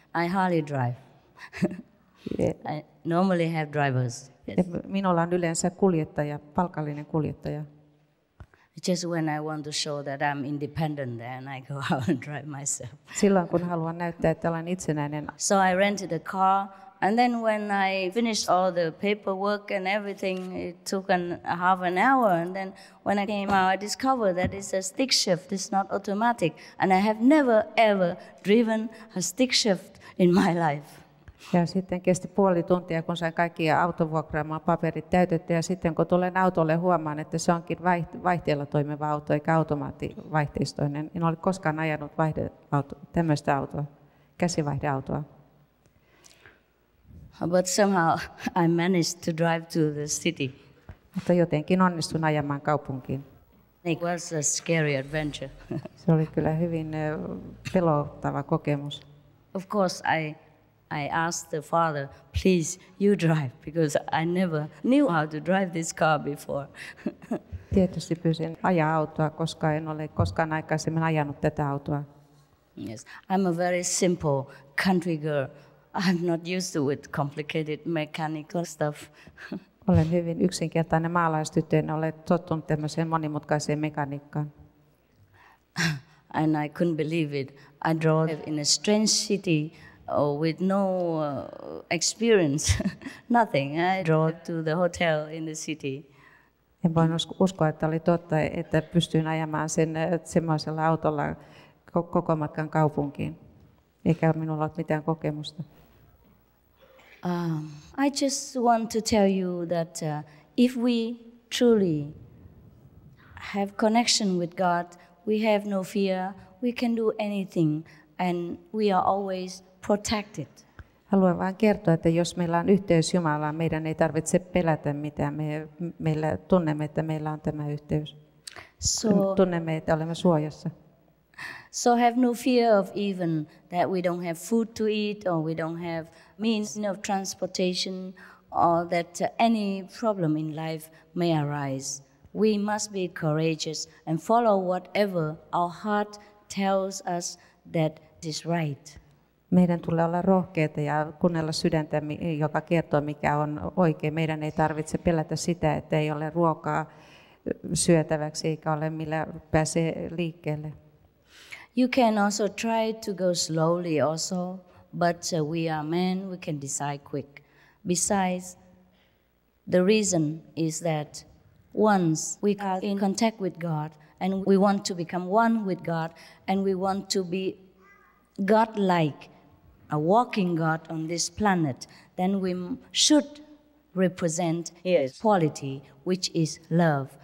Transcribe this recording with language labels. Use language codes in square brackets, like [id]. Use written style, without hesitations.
[en] I hardly drive. Yeah. I normally have drivers. Yes. [fi] Minulla on yleensä kuljettaja, palkallinen kuljettaja. [en] Just when I want to show that I'm independent, then I go out and drive myself. [fi] Silloin kun haluan näyttää, että olen itsenäinen. [en] So I rented a car, and then when I finished all the paperwork and everything, it took half an hour. And then when I came out, I discovered that it's a stick shift. It's not automatic, and I have never ever driven a stick shift in my life. [fi] Ja sitten kesti puoli tuntia, kun sain kaikki autovuokraamaan paperit täytettyä. Ja sitten kun tulen autolle, huomaan, että se onkin vaihteella toimiva auto, eikä automaattivaihteistoinen. En ole koskaan ajanut tämmöistä autoa, käsivaihdeautoa. [en] But somehow I managed to drive to the city. [fi] Mutta jotenkin onnistun ajamaan kaupunkiin. [en] It was a scary adventure. [fi] Se oli kyllä hyvin pelottava kokemus. [en] Of course I asked the father, please you drive, because I never knew how to drive this car before. [fi] Tietysti pyysin ajaa autoa, koska en ole koskaan aikaisemmin ajanut tätä autoa. [en] Yes, I'm a very simple country girl. I'm not used to with complicated mechanical stuff. [fi] Olen hyvin yksinkertainen maalaistyttö, en ole tottunut tämmöiseen monimutkaiseen mekaniikkaan. [en] And I couldn't believe it. I drove in a strange city with no experience, nothing. I drove to the hotel in the city. [fi] En voi uskoa, että oli totta, että pystyin ajamaan sen semmoisella autolla koko matkan kaupunkiin. Eikä minulla ole mitään kokemusta. [en] I just want to tell you that if we truly have connection with God, we have no fear, we can do anything, and we are always protected. [fi] Haluan vain kertoa, että jos meillä on yhteys Jumalaan, meidän ei tarvitse pelätä mitään. Meillä tunnemme, että meillä on tämä yhteys. [en] So, [fi] tunnemme, että olemme suojassa. [en] So have no fear of even that we don't have food to eat or we don't have means of transportation or that any problem in life may arise. We must be courageous and follow whatever our heart tells us that is right. [fi] Meidän tulee olla rohkeita ja kuunnella sydäntä, joka kertoo mikä on oikein. Meidän ei tarvitse pelätä sitä, että ei ole ruokaa syötäväksi eikä ole millä pääsee liikkeelle. [en] You can also try to go slowly also, but we are men, we can decide quick. Besides, the reason is that once we are in contact with God and we want to become one with God and we want to be God-like, a walking God on this planet, then we should represent His quality, which is love.